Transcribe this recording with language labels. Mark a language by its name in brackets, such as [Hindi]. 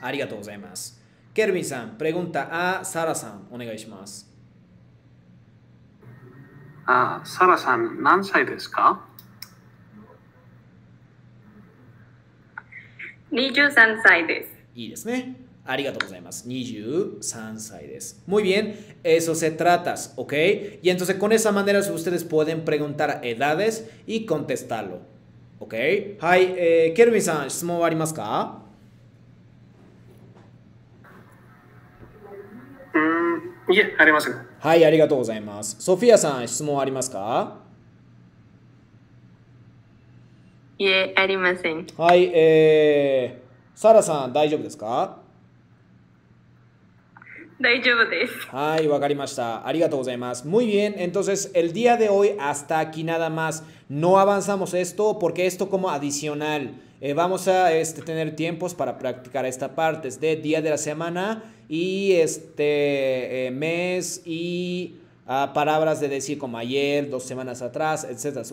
[Japanese] ありがとうございます。ケルビンさん、プレグンタ、サラさん、お願いします。サラさん、何歳ですか？ 23歳です。いいですね。ありがとうございます。 23歳です。 [Spanish] Muy bien, eso se tratas, ¿ok? Y entonces con esa manera ustedes pueden preguntar edades y contestarlo, ¿ok? [Japanese] はい、ケルビンさん、質問はありますか？いえ、ありません。はい、ありがとうございます。ソフィアさん、質問はありますか？いえ、ありません。はい、サラさん、大丈夫ですか？大丈夫です。はい、わかりました。ありがとうございます。 [Spanish] Muy bien, entonces el día de hoy hasta aquí nada más. No avanzamos esto porque esto como adicional. Vamos a tener tiempos para practicar esta parte es de día de la semana y mes y palabras de decir como ayer, 2 semanas atrás, etcétera.